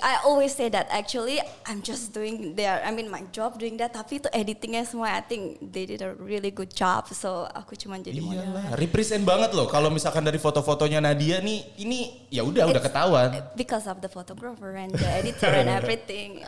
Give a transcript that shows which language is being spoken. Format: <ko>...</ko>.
<en>I always say that actually I'm just doing their, I mean my job doing that,</en> <id>tapi itu editingnya semua</id> <en>I think they did a really good job.</en> <id>So aku cuma jadi model. Iyalah, represent banget loh kalau misalkan dari foto-fotonya Nadia nih, ini ya udah ketahuan.</id> <en>Because of the photographer and the editor and everything.</en>